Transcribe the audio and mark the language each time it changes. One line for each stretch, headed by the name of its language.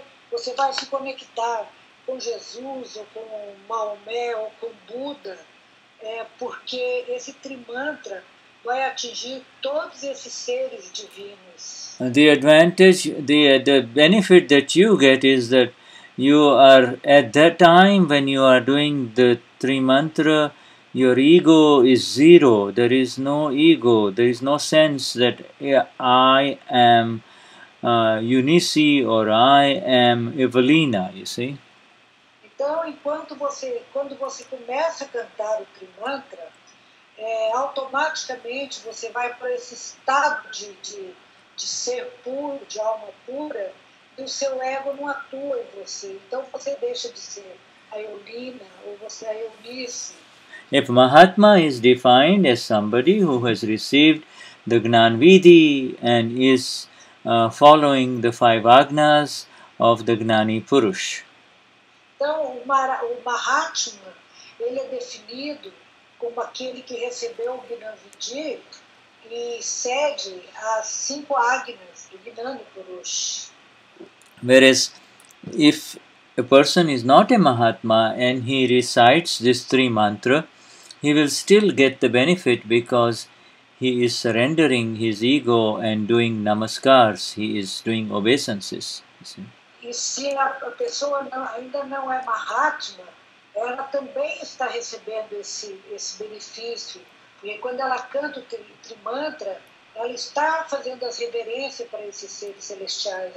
Portuguese: Você vai se conectar com Jesus ou com Maomé ou com Buda, porque esse trimantra vai atingir todos esses seres divinos.
English: The advantage, the benefit that you get is that you are at that time when you are doing the trimantra, your ego is zero. There is no ego. There is no sense that I am Eunice or I am Evelina, you see?
Portuguese: Então, enquanto você, quando você começa a cantar o trimantra, automaticamente você vai para esse estado de ser puro, de alma pura, e o seu ego não atua em você. Então, você deixa de ser a Eulina ou você é a Eunice.
English: If Mahatma is defined as somebody who has received the Gnanvidhi and is following the five agnas of the Gnani Purush.
Portuguese: Então, o Mahatma, ele é definido como aquele que recebeu o Gnanvidhi e segue as cinco agnas do Gnani Purush.
English: Whereas, if a person is not a Mahatma and he recites this three mantra, he will still get the benefit because he is surrendering his ego and doing namaskars. He is doing obeisances.
Portuguese: E se a pessoa ainda não é Mahatma, ela também está recebendo esse benefício. E quando ela canta o trimantra, ela está fazendo as reverências para esses seres celestiais.